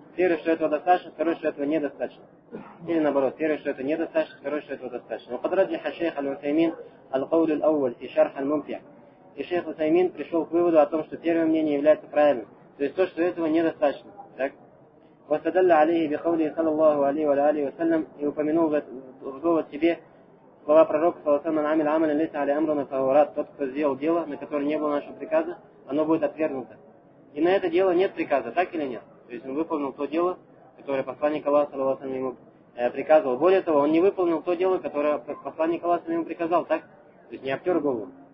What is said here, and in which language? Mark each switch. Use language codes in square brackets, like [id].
[ru] Первое, что этого достаточно, второе, что этого недостаточно. Или наоборот, первое, что это недостаточно, второе, что этого достаточно. Но подразумевает аш-шейх аль-Усаймин [ar] аль-Каул аль-Ауаль фи шарх аль-Мумтия. [ru] И шейх аль-Усаймин пришел к выводу о том, что первое мнение является правильным. То есть то, что этого недостаточно. Так? [ar] واستدل عليه بقوله صلى الله عليه وعلى اله وسلم يوبمنوه غزوه [ru] себе слова пророка [ar] صلى الله عليه وسلم عمل ليس على امرنا فهو رد. [ru] Тот, кто сделал дело, на которое не было нашего приказа, оно будет отвергнуто. И на это дело нет приказа, так или нет? То есть он выполнил то дело, которое посланник Аллаха صلى الله عليه وسلم ему приказывал. Более того, он не выполнил то дело, которое посланник Аллаха صلى الله عليه وسلم ему приказал, так? То есть не обтер голову.